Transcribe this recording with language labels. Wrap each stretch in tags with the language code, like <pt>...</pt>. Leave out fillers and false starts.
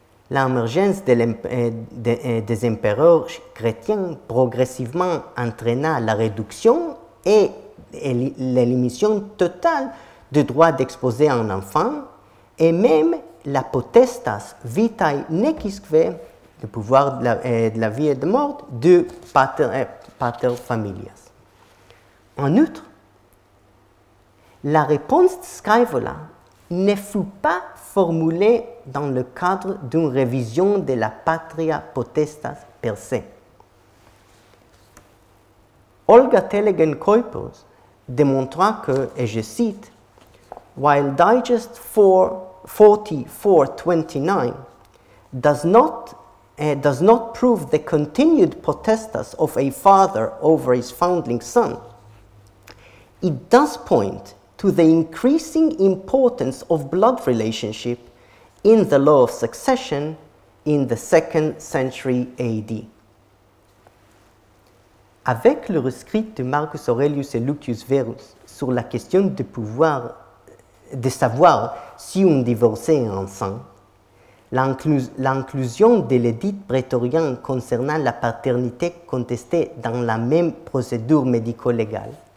<fr>L'émergence des empereurs chrétiens progressivement entraîna la réduction et l'élimination totale du droit d'exposer un enfant et même la potestas vitae necisque, le pouvoir de la vie et de la mort, du pater familias. En outre, la réponse de Scaevola ne fut pas formulée dans le cadre d'une révision de la patria potestas per se.</fr> <en>Olga Telegen Kuipers</en> <fr>démontra que, et je cite,</fr> <en>« While Digest 44-29 does not prove the continued potestas of a father over his foundling son, it does point to the increasing importance of blood relationship in the law of succession in the 2nd century AD.</en> <fr>Avec le rescrit de Marcus Aurelius et Lucius Verus sur la question de savoir si on divorçait un enfant, l'inclusion de l'édit prétorien concernant la paternité contestée dans la même procédure médico-légale</fr>